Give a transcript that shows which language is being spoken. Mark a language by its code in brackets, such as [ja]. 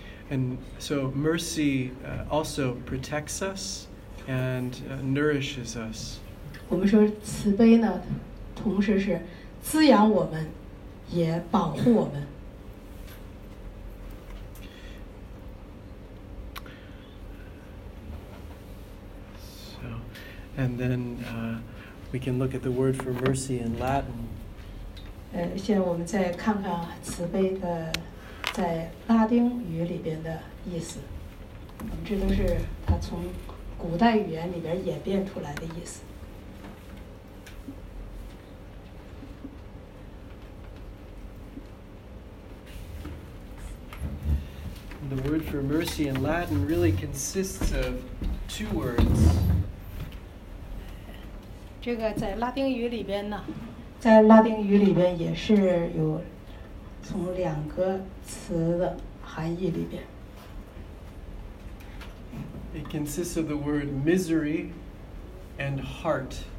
[en] And so mercy also protects us and nourishes us. [zh] 我们说慈悲呢，同时是滋养我们，也保护我们。 [en] So, and then we can look at the word for mercy in Latin. [zh] 现在我们再看看慈悲的在拉丁语里边的意思。我们这都是它从古代语言里边演变出来的意思。 [en] The word for mercy in Latin really consists of two words. [zh] 这个在拉丁语里边呢，在拉丁语里边也是有从两个词的含义里边。 [en] It consists of the word misery and heart.